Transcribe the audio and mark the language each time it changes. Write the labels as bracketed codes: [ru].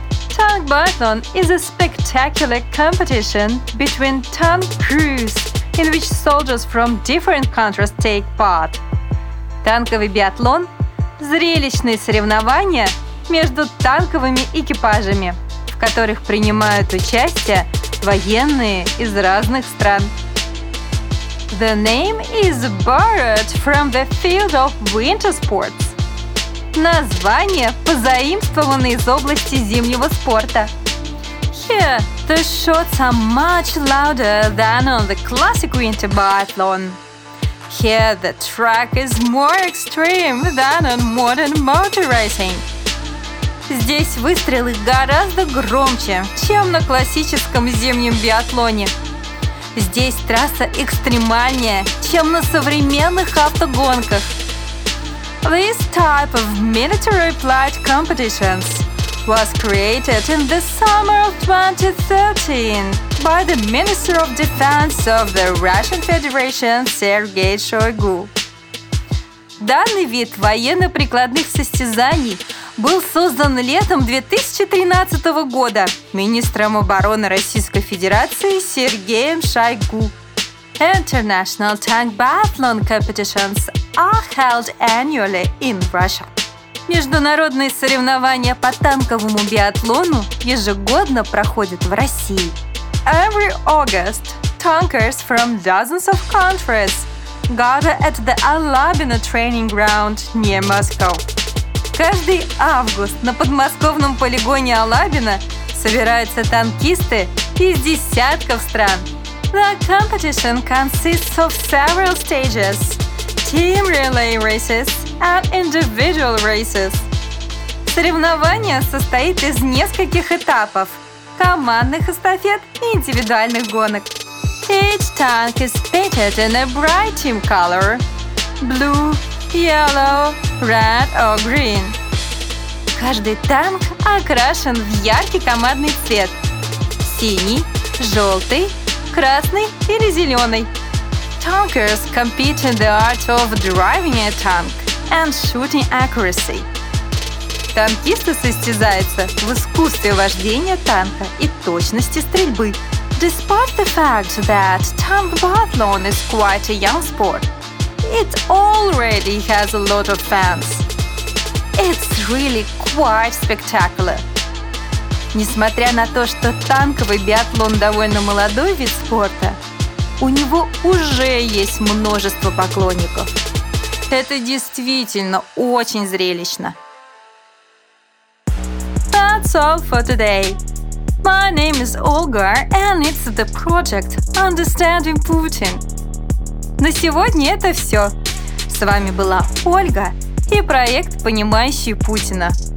[en] Tank biathlon is a spectacular competition between tank crews, in which soldiers from different countries take part. [ru] Танковый биатлон – зрелищные соревнования между танковыми экипажами, в которых принимают участие военные из разных стран. [en] The name is borrowed from the field of winter sports. [ru] Название позаимствовано из области зимнего спорта. [en] Here, the shots are much louder than on the classic winter biathlon. Here, the track is more extreme than on modern motor racing. [ru] Здесь выстрелы гораздо громче, чем на классическом зимнем биатлоне. Здесь трасса экстремальнее, чем на современных автогонках. [en] This type of military-applied competitions was created in the summer of 2013 by the Minister of Defense of the Russian Federation, Sergei Shoigu. [ru] Данный вид военно-прикладных состязаний был создан летом 2013 года министром обороны Российской Федерации Сергеем Шойгу. [en] International tank biathlon competitions are held annually in Russia. [ru] Международные соревнования по танковому биатлону ежегодно проходят в России. [en] Every August, tankers from dozens of countries gather at the Alabino training ground near Moscow. [ru] Каждый август на подмосковном полигоне Алабино собираются танкисты из десятков стран. [en] The competition consists of several stages: team relay races and individual races. [ru] Соревнование состоит из нескольких этапов: командных эстафет и индивидуальных гонок. [en] Each tank is painted in a bright team color: blue, yellow, red or green. [ru] Каждый танк окрашен в яркий командный цвет: синий, желтый, красный или зеленый. [en] Tankers compete in the art of driving a tank and shooting accuracy. [ru] Танкисты состязаются в искусстве вождения танка и точности стрельбы. [en] Despite the fact that tank biathlon is quite a young sport, it already has a lot of fans. It's really quite spectacular. [ru] Несмотря на то, что танковый биатлон довольно молодой вид спорта, у него уже есть множество поклонников. Это действительно очень зрелищно. [en] That's all for today. My name is Olga, and it's the project Understanding Putin. [ru] На сегодня это все. С вами была Ольга и проект «Понимающий Путина».